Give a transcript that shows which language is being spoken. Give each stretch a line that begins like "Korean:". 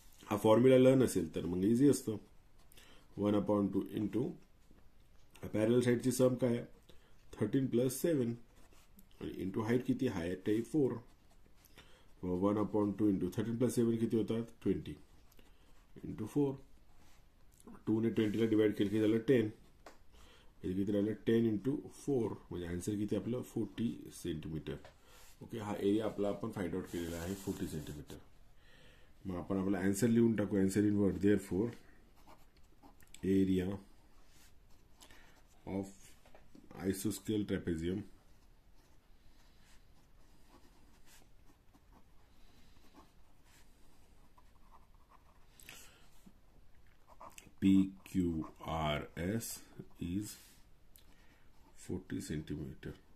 English: A formula learn
Marathi: असेल तर मग easy असतो.
English: 1 upon 2 into a parallel side ची sum काय 13 plus 7 into height किती हाय 4. 1 upon 2 into 13 plus 7
Marathi: किती होता
English: 20 into 4.
Marathi: 2 ने 20 ला divide केले की झालं 10. म्हणजे किती झालं 10 into 4 म्हणजे answer किती आपलं 40 cm. ओके हा एरिया आपला आपण फाइंड आउट केलेला आहे 40 सेंटीमीटर. मग आपण आपला आंसर लिहून टाकू
English: Answer in word. Therefore area of आयसोस्केल trapezium P Q R S is 40 centimetre.